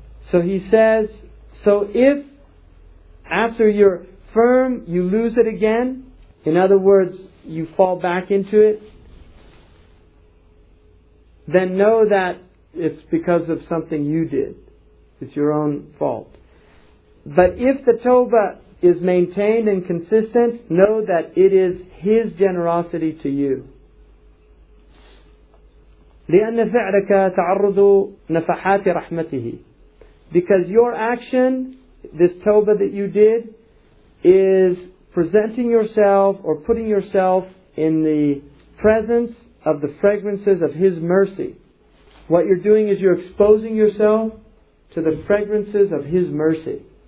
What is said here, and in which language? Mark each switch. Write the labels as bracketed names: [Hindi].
[English] So he says, so if after you're firm, you lose it again, in other words, you fall back into it, then know that it's because of something you did. It's your own fault. But if the Tawbah is maintained and consistent, know that it is His generosity to you. [Arabic] لأن فعلك تعرض نفحات رحمته. [English] Because your action, this Tawbah that you did, is presenting yourself or putting yourself in the presence of the fragrances of His mercy. What you're doing is you're exposing yourself to the fragrances of His mercy.